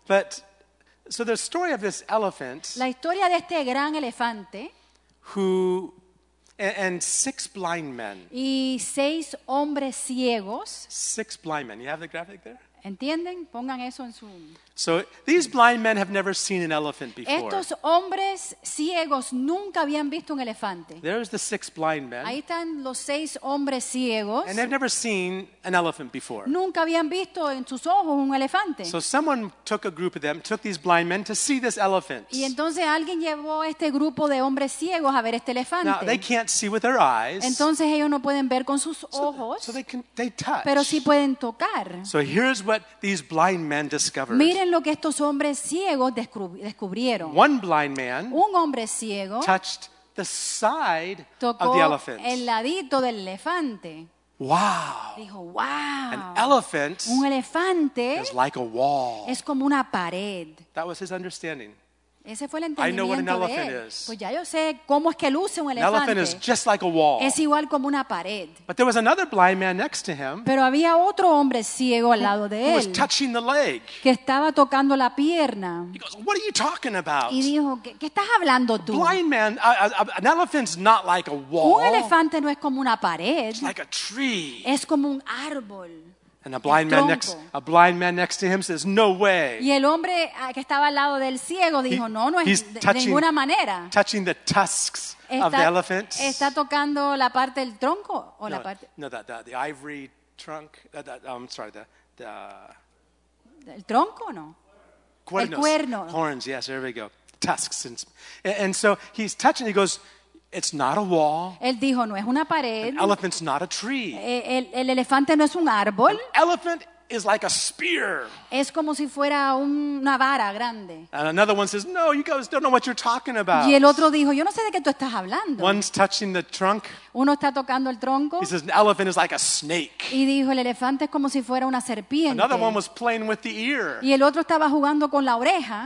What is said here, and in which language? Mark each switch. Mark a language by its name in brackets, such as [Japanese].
[English] But so the story of this elephant, [Spanish] la historia de este gran elefante, [English] who and six blind men, [Spanish] y seis hombres ciegos, [English] six blind men. You have the graphic there. [Spanish] ¿Entienden? Pongan eso en su. [English] So these blind men have never seen an elephant before. [Spanish] Estos hombres ciegos nunca habían visto un elefante. [English] There's the six blind men. [Spanish] Ahí están los seis hombres ciegos. [English] And they've never seen an elephant before. [Spanish] Nunca habían visto en sus ojos un elefante. [English] So someone took a group of them, took these blind men to see this elephant. [Spanish] Y entonces alguien llevó este grupo de hombres ciegos a ver este elefante. [English] Now they can't see with their eyes. [Spanish] Entonces ellos no pueden ver con sus ojos. [English] So they touch. [Spanish] Pero sí pueden tocar. [English] So here's what these blind men discovered. [Spanish] Miren lo que estos hombres ciegos descubrieron. [English] One blind man, [Spanish] un hombre ciego, [English] touched the side [Spanish] tocó [English] of the elephant. [Spanish] El ladito del elefante. [English] Wow. [Spanish] Dijo, wow. [English] An elephant, [Spanish] un elefante, [English] is like a wall. [Spanish] Es como una pared. [English] That was his understanding. [Spanish] Ese fue el entendimiento [English] I know what an elephant [Spanish] de él. [English] Is. [Spanish] Pues ya yo sé cómo es que luce un elefante. [English] An elephant is just like a wall. [Spanish] Es igual como una pared. [English] But there was another blind man next to him. [Spanish] Pero había otro hombre ciego al lado de él. [English] Who was touching the leg. [Spanish] Que estaba tocando la pierna. [English] He goes, what are you talking about? [Spanish] Y dijo, ¿qué estás hablando tú? [English] Blind man, an elephant's not like a wall. [Spanish] Un elefante no es como una pared. [English] It's like a tree. [Spanish] Es como un árbol. [English] And a blind man next to him says, "No way." [Spanish] Y el hombre que estaba al lado del ciego dijo, "No, no es de ninguna manera." [English] Touching the tusks of the elephant. [Spanish] Está tocando la parte del tronco o no, la parte. [English] No, the ivory trunk. [Spanish] El tronco, ¿no? Cuernos. El cuerno. [English] Horns. Yes, there we go. Tusks. And so he's touching. He goes. It's not a wall. [Spanish] Él dijo, no es una pared. [English] An elephant's not a tree. [Spanish] El elefante no es un árbol. [English] An elephant is like a spear. [Spanish] Es como si fuera una vara grande. [English] And another one says, no, you guys don't know what you're talking about. [Spanish] Y el otro dijo, yo no sé de qué tú estás hablando. [English] One's touching the trunk. [Spanish] Uno está tocando el tronco. [English] He says, an elephant is like a snake. [Spanish] Y dijo, el elefante es como si fuera una serpiente. [English] Another one was playing with the ear. [Spanish] Y el otro estaba jugando con la oreja.